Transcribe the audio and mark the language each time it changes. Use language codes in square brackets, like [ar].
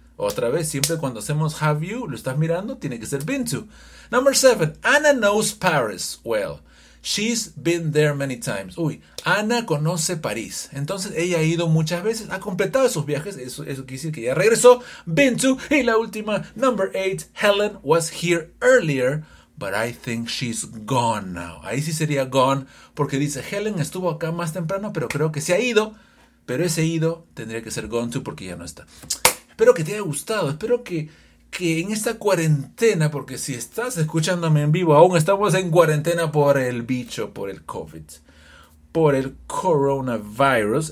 [es] Otra vez, siempre cuando hacemos have you, lo estás mirando, tiene que ser been to. [en] Number seven. Anna knows Paris well. She's been there many times. [es] Uy, Ana conoce París. Entonces, ella ha ido muchas veces, ha completado esos viajes. Eso quiere decir que ya regresó. Been to. Y la última, [en] number eight. Helen was here earlier, but I think she's gone now. [es] Ahí sí sería gone, porque dice, Helen estuvo acá más temprano, pero creo que se ha ido. Pero ese ido tendría que ser gone to, porque ya no está. Espero que te haya gustado. Espero que en esta cuarentena, porque si estás escuchándome en vivo, aún estamos en cuarentena por el bicho, por el COVID, por el coronavirus.